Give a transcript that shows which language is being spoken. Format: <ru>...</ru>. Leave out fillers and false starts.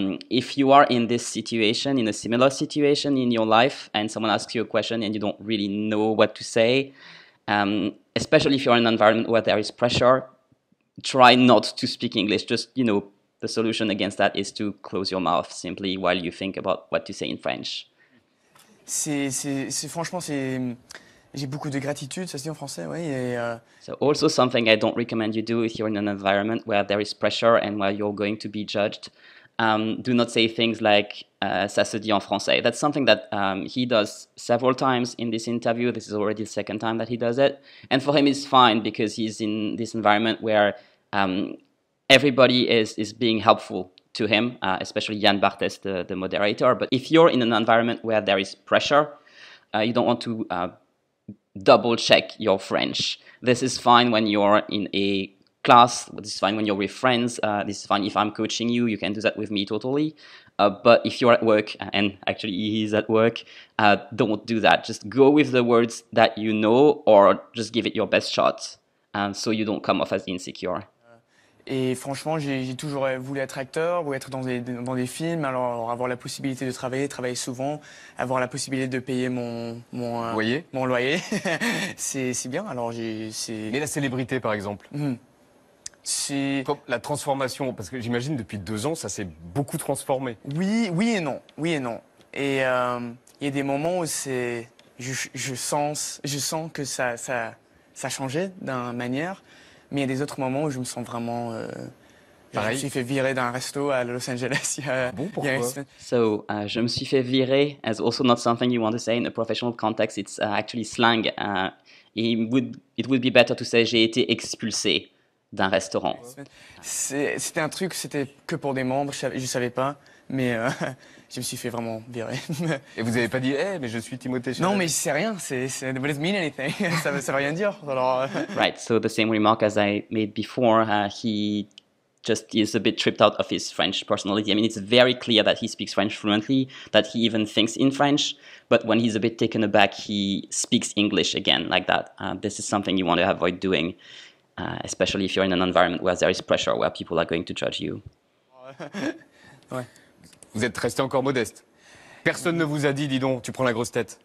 <en>If you are in this situation, in a similar situation in your life, and someone asks you a question and you don't really know what to say, especially if you're in an environment where there is pressure, try not to speak English. Just you know. The solution against that is to close your mouth simply while you think about what to say in French.</en> <fr>C'est franchement, j'ai beaucoup de gratitude, ça se dit en français, oui.</fr> <en>So also something I don't recommend you do if you're in an environment where there is pressure and where you're going to be judged. Do not say things like</en> <fr>ça se dit en français.</fr> <en>That's something that he does several times in this interview. This is already the second time that he does it. And for him, it's fine because he's in this environment where... everybody is being helpful to him, especially Yann Barthès, the moderator. But if you're in an environment where there is pressure, you don't want to double check your French. This is fine when you're in a class. This is fine when you're with friends. This is fine if I'm coaching you. You can do that with me totally. But if you're at work, and actually he's at work, don't do that. Just go with the words that you know or just give it your best shot so you don't come off as insecure.</en> <fr>Et franchement, j'ai toujours voulu être acteur ou être dans des films. Alors avoir la possibilité de travailler souvent, avoir la possibilité de payer mon loyer, c'est bien. Alors Mais la célébrité, par exemple, La transformation, parce que j'imagine depuis 2 ans, ça s'est beaucoup transformé. Oui, oui et non. Oui et non. Et il y a des moments où c'est, je sens que ça a changé d'une manière. Mais il y a des autres moments où je me sens vraiment. Pareil. Je me suis fait virer d'un resto à Los Angeles. Je me suis fait virer</fr> <en>as also not something you want to say in a professional context. It's actually slang. It would be better to say</en> <fr>j'ai été expulsé d'un restaurant. C'était un truc, c'était que pour des membres, je savais pas, mais je me suis fait vraiment virer. Et vous avez pas dit, hey, mais je suis Timothée Chalamet. Non, mais c'est rien,</fr> <en>it doesn't mean anything.</en> <fr>ça veut rien dire. Alors,</fr> <en>Right, so the same remark as I made before, he just is a bit tripped out of his French personality. I mean, it's very clear that he speaks French fluently, that he even thinks in French, but when he's a bit taken aback, he speaks English again like that. This is something you want to avoid doing. Especially if you're in an environment where there is pressure, where people are going to judge you.</en> <fr>Ouais. Vous êtes resté encore modeste. Personne ne vous a dit, dis donc, tu prends la grosse tête.</fr>